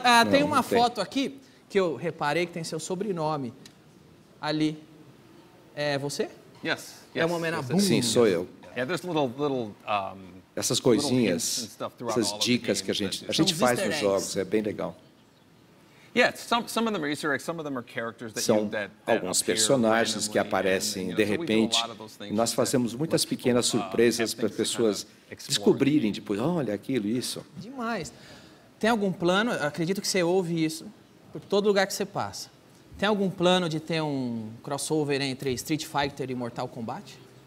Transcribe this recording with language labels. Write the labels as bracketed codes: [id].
[pt] Tem uma foto aqui que eu reparei que tem seu sobrenome ali. É você? [en] Yes. [pt] É uma homenagem. Yes, sim, sou eu. [en] Yeah, there's little [pt] essas coisinhas, essas dicas que a gente faz nos jogos, é bem legal. [en] Yeah, some of them are Easter eggs, some of them are characters that [pt] são [en] that [pt] alguns personagens que aparecem de repente. Nós fazemos muitas pequenas surpresas para as pessoas descobrirem depois, olha aquilo, isso. Demais. Tem algum plano, acredito que você ouve isso, por todo lugar que você passa. Tem algum plano de ter um crossover entre Street Fighter e Mortal Kombat?